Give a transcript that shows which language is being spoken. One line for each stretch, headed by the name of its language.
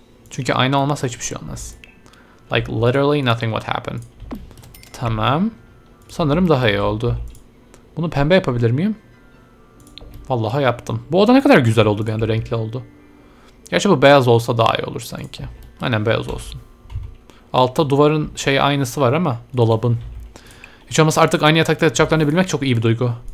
Turkish: Çünkü ayna olmazsa hiçbir şey olmaz.
English: Like literally nothing would happen.
Turkish: Tamam. Sanırım daha iyi oldu. Bunu pembe yapabilir miyim? Vallahi yaptım. Bu oda ne kadar güzel oldu bir anda, renkli oldu. Gerçi bu beyaz olsa daha iyi olur sanki. Aynen, beyaz olsun. Altta duvarın şey aynısı var ama, dolabın. Hiç olmazsa artık aynı yatakta yatacaklarını bilmek çok iyi bir duygu.